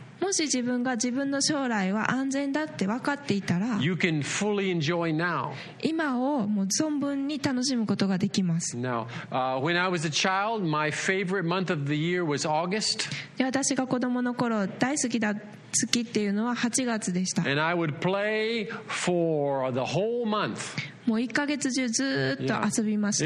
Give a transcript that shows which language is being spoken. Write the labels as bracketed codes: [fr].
[ja] もし自分が自分の将来は安全だって分かっていたら、 [en] You can fully enjoy now. [ja] 今をもう存分に楽しむことができます。 [en] Now, when I was a child, my favorite month of the year was August. [ja] 私が子供の頃大好きだ月っていうのは8月でした。 [en] And I would play for the whole month. [ja] もう1ヶ月中ずっと遊びました。